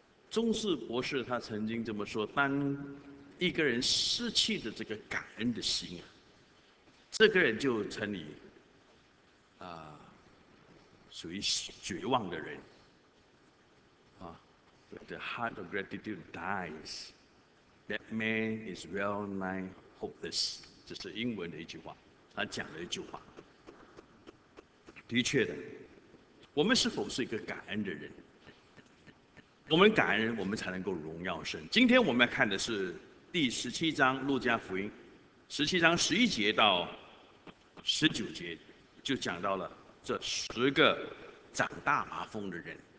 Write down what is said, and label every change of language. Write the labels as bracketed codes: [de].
[zh] 钟士博士他曾经这么说，当一个人失去的这个感恩的心啊，这个人就成你属于绝望的人啊。 [en] The heart of gratitude dies, that man is well nigh hopeless, [zh] 这是英文的一句话， [en] 他讲了一句话。 [zh] 的确的，我们是否是一个感恩的人？我们感恩，我们才能够荣耀神。今天我们要看的是第十七章路加福音，十七章十一节到十九节，就讲到了这十个长大麻风的人。